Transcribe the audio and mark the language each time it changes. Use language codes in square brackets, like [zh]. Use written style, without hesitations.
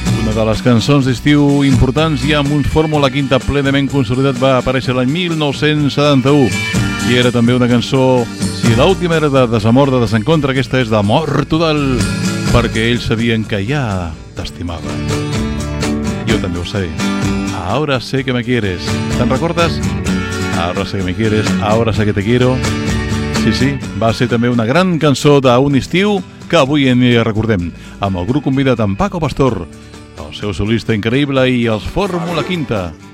[ca] De les cançons d'estiu importants i amb un Fórmula Quinta plenament consolidat va aparèixer l'any 1971 i era també una cançó, si l'última era de desamor, de desencontre, aquesta és d'amor total, perquè ells sabien que ja t'estimava. Jo també ho sé, ara sé que [es] me quieres, [ca] te'n recordes? [es] Ahora sé que me quieres, ahora sé que te quiero. [ca] Sí, sí, va ser també una gran cançó d'un estiu que avui en dia recordem, amb el grup convidat en Paco Pastor, el seu solista increïble i els Fórmula Quinta.